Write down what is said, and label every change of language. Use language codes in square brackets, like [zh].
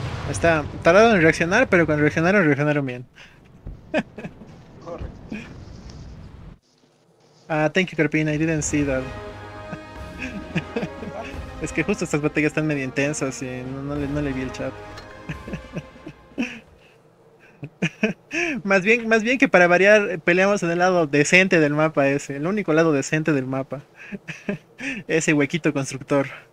[es] Está tardado en reaccionar, pero cuando reaccionaron bien. [en] Ah, thank you, Carpina. I didn't see that. [es] Es que justo estas batallas están medio intensas y no le vi el chat. más bien que para variar peleamos en el lado decente del mapa ese, el único lado decente del mapa. Ese huequito constructor.